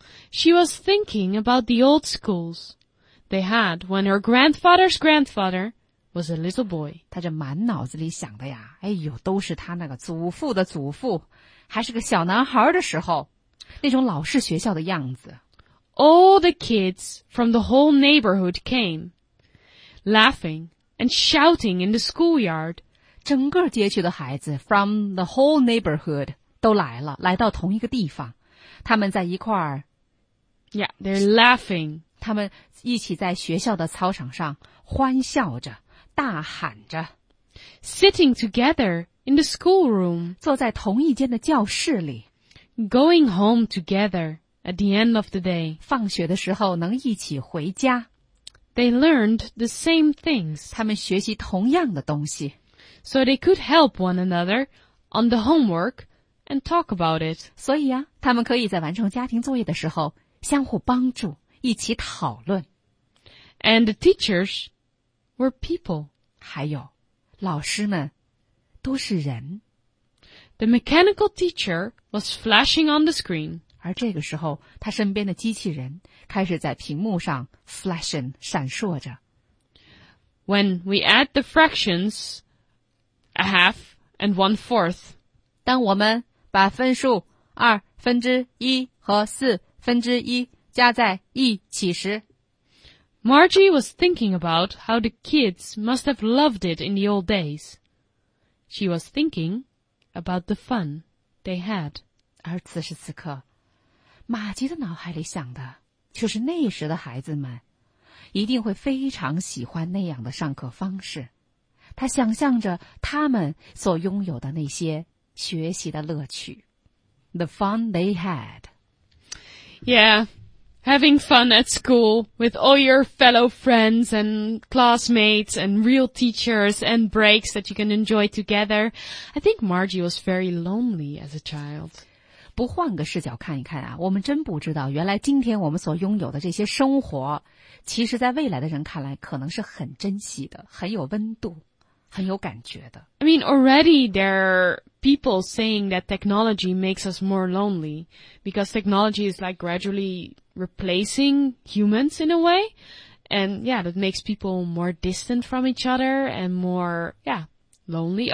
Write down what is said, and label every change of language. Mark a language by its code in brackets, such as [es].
[en] She was thinking about the old schools they had when her grandfather's grandfatherwas a little boy. [zh] 他这满脑子里想的呀哎呦都是他那个祖父的祖父还是个小男孩的时候那种老式学校的样子。 [en] All the kids from the whole neighborhood came, laughing and shouting in the schoolyard. [zh] 整个街区的孩子 [en] from the whole neighborhood [zh] 都来了来到同一个地方。他们在一块儿 [en] Yeah, they're laughing. [zh] 他们一起在学校的操场上欢笑着。大喊着 [en] Sitting together in the schoolroom [zh] 坐在同一间的教室里 [en] Going home together at the end of the day [zh] 放学的时候能一起回家 [en] They learned the same things [zh] 他们学习同样的东西 [en] So they could help one another on the homework and talk about it [zh] 所以啊他们可以在完成家庭作业的时候相互帮助一起讨论 [en] And the teachersWere people. [zh] 还有老师们都是人。 [en] The mechanical teacher was flashing on the screen. [zh] 而这个时候他身边的机器人开始在屏幕上 flashing, 闪烁着。 [en] When we add the fractions, a half and one fourth. [zh] 当我们把分数二分之一和四分之一加在一起时 [en] Margie was thinking about how the kids must have loved it in the old days. She was thinking about the fun they had. [zh] 而此时此刻，玛吉的脑海里想的就是那时的孩子们一定会非常喜欢那样的上课方式。她想象着他们所拥有的那些学习的乐趣。 [en] the fun they had. Yeah, having fun at school with all your fellow friends and classmates and real teachers and breaks that you can enjoy together. I think Margie was very lonely as a child. [zh] 不换个视角看一看啊，我们真不知道原来今天我们所拥有的这些生活，其实在未来的人看来可能是很珍惜的，很有温度，很有感觉的。 [en] I mean, already there are people saying that technology makes us more lonely, because technology is like gradually replacing humans in a way, and yeah, that makes people more distant from each other and more, yeah, lonely.